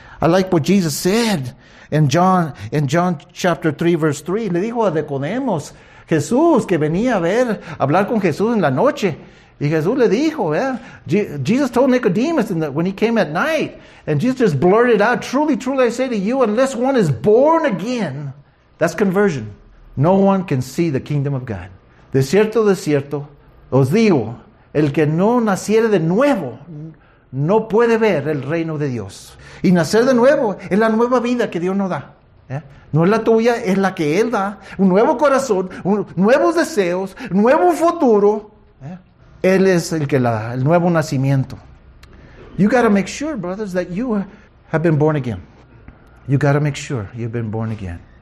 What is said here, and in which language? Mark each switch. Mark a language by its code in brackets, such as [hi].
[en] I like what Jesus said in John chapter 3, verse 3. [es] Le dijo a Nicodemus, Jesús, que venía a ver, hablar con Jesús en la noche. Y Jesús le dijo, [en] Jesus told Nicodemus when he came at night. And Jesus just blurted out, truly, truly, I say to you, unless one is born again, that's conversion, no one can see the kingdom of God. [es] De cierto, os digo, el que no naciere de nuevo, no puede ver el reino de Dios. Y nacer de nuevo es la nueva vida que Dios nos da. No es la tuya, es la que Él da. Un nuevo corazón, nuevos deseos, nuevo futuro. Él es el que la da, el nuevo nacimiento. [en] You got to make sure, brothers, that you have been born again. You got to make sure you've been born again.